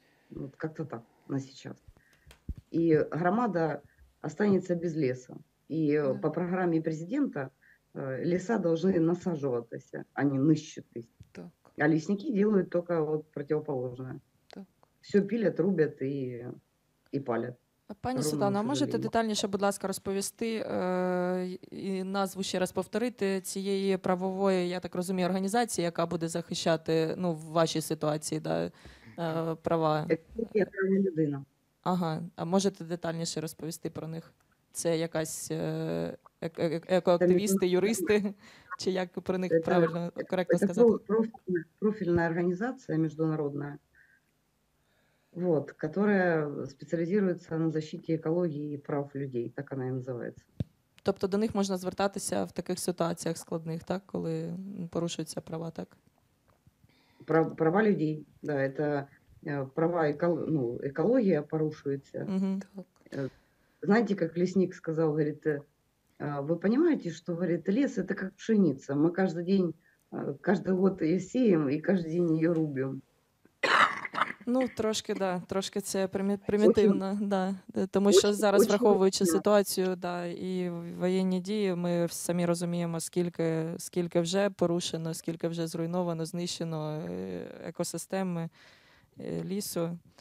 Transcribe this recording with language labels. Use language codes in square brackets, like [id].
[ru] Вот как-то так на сейчас. И громада останется без леса. И да, по программе президента леса должны насаживаться, а не ныщиться. А лесники делают только вот противоположное. Так. Все пилят, рубят и палят. [uk] Пані Світлана, можете детальніше, будь ласка, розповісти і назву ще раз повторити цієї правової, я так розумію, організації, яка буде захищати, ну, в вашій ситуації, да, права? Екологія права людина. Ага, а можете детальніше розповісти про них? Це якась екоактивісти, юристи? Чи як про них правильно, коректно сказати? Це профільна організація міжнародна. [ru] Вот, которая специализируется на защите экологии и прав людей, так она и называется. [uk] Тобто до них можно звертатися в таких ситуаціях складних, так, коли порушуються права, так? [ru] Права людей, да, это права, ну, экология порушується. Угу. Знаете, как лесник сказал, говорит, вы понимаете, что, говорит, лес — это как пшеница, мы каждый день, каждый год ее сеем и каждый день ее рубим. [uk] Ну, трошки, да, трошки це примітивно, очень, да, тому що очень, зараз, очень враховуючи очень ситуацію, да, і воєнні дії, ми самі розуміємо, скільки вже порушено, скільки вже зруйновано, знищено екосистеми лісу.